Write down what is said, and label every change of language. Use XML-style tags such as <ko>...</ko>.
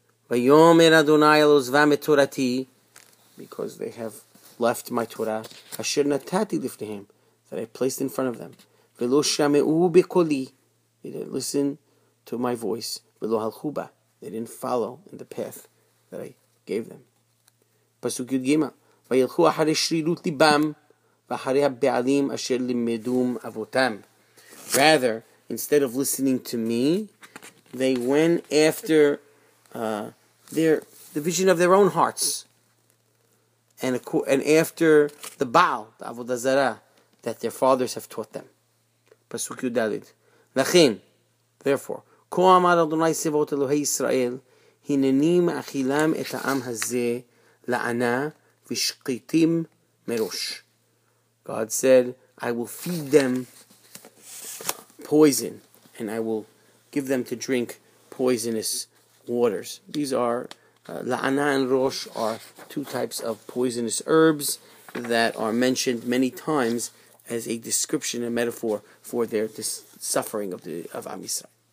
<en>Vayomer Adonai el ozvam et Torati, because they have left my Torah, asher natati lifnehem, that I placed in front of them. Velo shame'u bekoli, they didn't listen to my voice. Velo halchu ba, they didn't follow in the path that I gave them.</en> <he>Pasuk Yud Gimel. וילכו אחרי שרירות ליבם ואחרי הבעלים אשר לימדום אבותם.</he> <en>Rather, instead of listening to me, they went after the vision of their own hearts and after the Baal, the Avodah Zarah, that their fathers have taught them.</en> <he>פסוק י' ד' לכן, therefore, כה אמר אדוני צבאות אלוהי ישראל, הנני מאכילם את העם הזה לענה, Vishkitim Merosh.</he> <en>God said, I will feed them poison, and I will give them to drink poisonous waters. These are, La'ana and Rosh are two types of poisonous herbs that are mentioned many times as a description and metaphor for their suffering of Am Yisrael.</en>